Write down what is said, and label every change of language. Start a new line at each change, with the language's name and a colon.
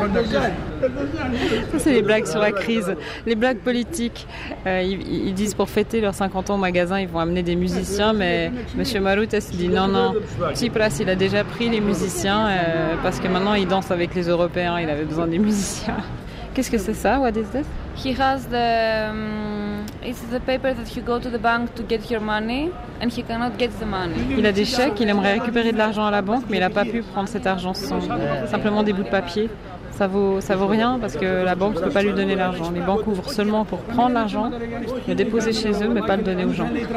French: Ça, c'est les blagues sur la crise, les blagues politiques. Ils disent pour fêter leurs 50 ans au magasin, ils vont amener des musiciens, mais monsieur Marout est dit non, non. Tsipras, il a déjà pris les musiciens parce que maintenant il danse avec les Européens, il avait besoin des musiciens. Qu'est-ce que c'est ça?
English: What is this? He has the it's the paper that you go to the bank to get your money and he cannot get the money.
French: Il a des chèques, il aimerait récupérer de l'argent à la banque, mais il a pas pu prendre cet argent, simplement des bouts de papier. Ça vaut rien parce que la banque ne peut pas lui donner l'argent. Les banques ouvrent seulement pour prendre l'argent, le déposer chez eux, mais pas le donner aux gens.